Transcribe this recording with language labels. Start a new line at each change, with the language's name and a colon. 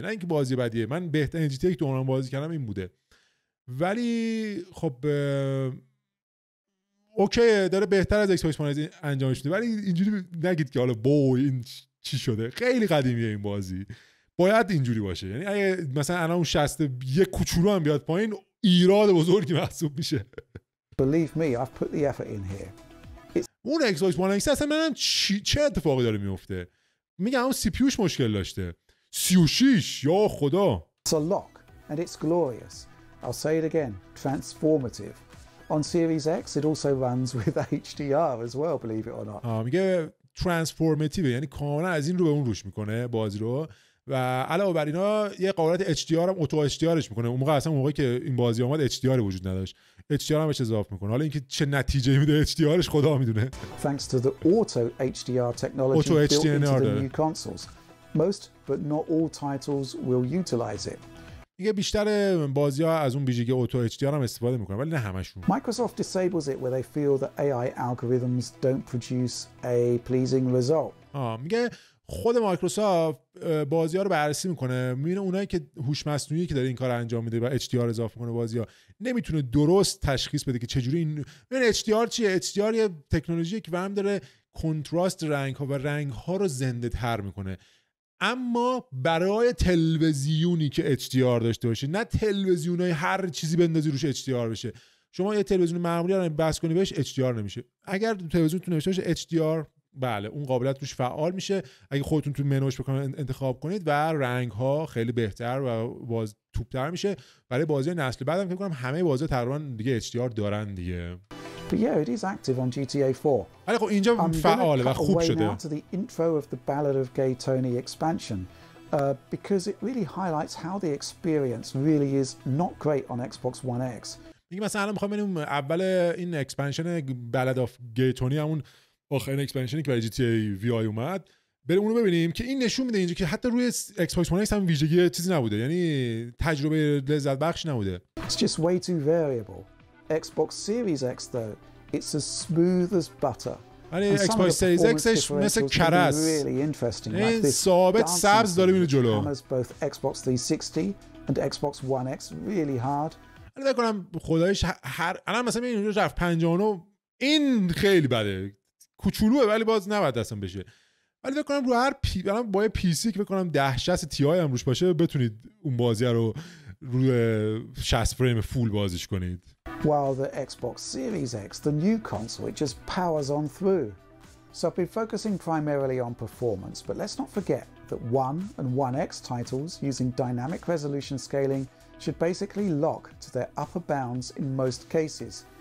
Persian: نه اینکه بازی بدیه، من بهترین جی تی ای که اونم بازی کردم این بوده، ولی خب اوکی داره بهتر از ایکس باکس انجامش میده، ولی اینجوری نگید که حالا بو این چی شده، خیلی قدیمیه این بازی، باید اینجوری باشه. یعنی اگه مثلا الان اون 60 یه کوچولو هم بیاد پایین ایراد بزرگی محسوب میشه.
English: Believe me, I've put the effort in here.
Persian: اون Xbox One X اصلا من چه اتفاقی داره میفته؟ میگم اون CPUش مشکل داشته. 36 یا خدا.
English: It's a lock and it's glorious. I'll say it again, transformative. On Series X it also runs with HDR as well, believe it or not.
Persian: میگه transformative یعنی کاملا از این رو به اون روش میکنه بازی رو و علاوه بر اینا یه قابلیت HDR هم اوتو HDRش میکنه. اون موقع اصلا موقعی که این بازی اومد HDR وجود نداشت. HDR همش اضافه میکنه. حالا اینکه چه نتیجه میده HDRش خدا میدونه.
English: Thanks to the auto HDR technology auto HDR built into the new consoles. Most but not all titles will utilize it.
Persian: دیگه بیشتر بازی‌ها از اون ویژگی اوتو HDR هم استفاده میکنن ولی نه همشون.
English: Microsoft disables it where they feel that AI algorithms don't produce a pleasing result.
Persian: میگه خود مایکروسافت بازی‌ها رو بررسی میکنه، میبینه اونایی که هوش مصنوعی که داره این کار انجام میده و HDR اضافه میکنه بازی‌ها نمیتونه درست تشخیص بده که چجوری این HDR چیه. HDR یه تکنولوژی که وام داره کنتراست رنگ‌ها و رنگ‌ها رو زنده‌تر میکنه، اما برای تلویزیونی که HDR داشته باشه، نه تلویزیونای هر چیزی بندازی روش HDR بشه. شما یه تلویزیون معمولی رو بس کنی بهش HDR نمیشه. اگر تلویزیونتون نشه HDR بله اون قابلیت روش فعال میشه اگه خودتون تو منوش بکنید انتخاب کنید و رنگ ها خیلی بهتر و باز توپتر میشه. برای بازی نسل بعدم فکر کنم همه بازی تقریبا دیگه HDR دارن دیگه.
English: But yeah, it is active on GTA 4.
Persian: حالا خب اینجا فعاله و خوب شده.
English: To the intro of the Ballad of Gay Tony expansion because it really highlights how the experience really is not great on Xbox One X.
Persian: میگم مثلا الان میخوام ببینم اول این اکسپنشن Ballad of Gay Tony همون آخرین اکسپنشنی که برای GTA VI اومد بریم اونو ببینیم که این نشون میده اینجا که حتی روی Xbox One X هم ویژگی چیزی نبوده، یعنی تجربه لذت بخش نبوده.
English: It's just way too variable. Xbox Series X though, it's as smooth as butter. And Xbox Series X is
Persian: مثل کره است.
English: Really interesting.
Persian: این ثابت سبز داره میره جلو.
English: Hammers both Xbox 360 and Xbox One X really hard.
Persian: الان فکر کنم خدایش هر الان مثلا این اونجا رفت 59 این خیلی بده. کوچولوه ولی باز نباید اصلا بشه. ولی فکر کنم رو هر الان با پی سی که فکر کنم 1060 Ti هم روش باشه بتونید اون بازی رو روی 60 فریم فول بازیش کنید.
English: While the Xbox Series X, the new console, it just powers on through. So I've been focusing primarily on performance, but let's not forget that One and One X titles using dynamic resolution scaling should basically lock to their upper bounds in most cases.